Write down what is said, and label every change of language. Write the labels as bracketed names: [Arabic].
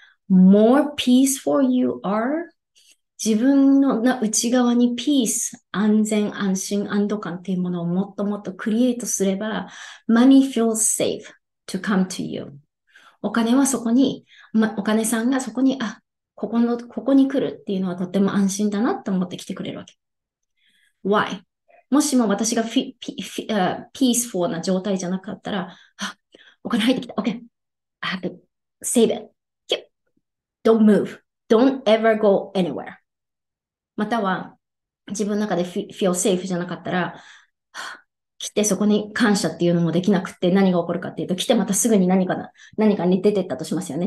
[English] More peace for you are? [Japanese] 自分の内側にピース、安全、安心、安堵感っていうものをもっともっとクリエイトすれば、 [English] money feels safe to come to you。 [Japanese] お金はそこに、お金さんがそこに、あ、ここに来るっていうのはとっても安心だなと思って来てくれるわけ。 [English] Why? [Japanese] もしも私がピースフォーな状態じゃなかったら、あ、お金入ってきた。 [English] OK。 I have to save it.Don't move.Don't ever go anywhere. [Japanese] または自分の中で [English] feel safe [Japanese] じゃなかったら、来てそこに感謝っていうのもできなくて何が起こるかっていうと、来てまたすぐに何かに出てったとしますよね。